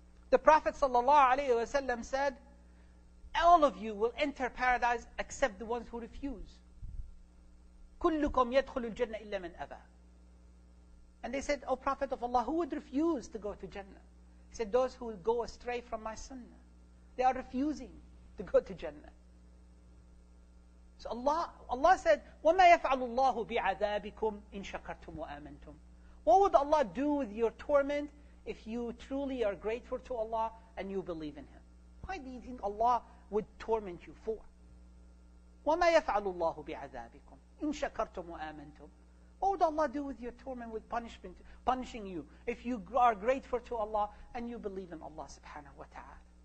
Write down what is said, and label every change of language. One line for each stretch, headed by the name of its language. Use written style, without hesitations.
English: The Prophet ﷺ said, all of you will enter paradise except the ones who refuse.
Arabic: كُلُّكُمْ يَدْخُلُ الْجَنَّةِ إِلَّا مَنْ أَبَى.
English: And they said, O Prophet of Allah, who would refuse to go to Jannah? He said, those who will go astray from my sunnah. They are refusing to go to Jannah. So Allah said,
Arabic: وَمَا يَفْعَلُ اللَّهُ بِعَذَابِكُمْ إِنْ شَكَرْتُمْ وَآمَنْتُمْ.
English: What would Allah do with your torment if you truly are grateful to Allah and you believe in Him? Why do you think Allah would torment you for?
Arabic: وَمَا يَفْعَلُ اللَّهُ بِعَذَابِكُمْ إِن شَكَرْتُمْ وَآمَنْتُمْ.
English: What would Allah do with your torment, with punishment, punishing you if you are grateful to Allah and you believe in Allah subhanahu wa ta'ala?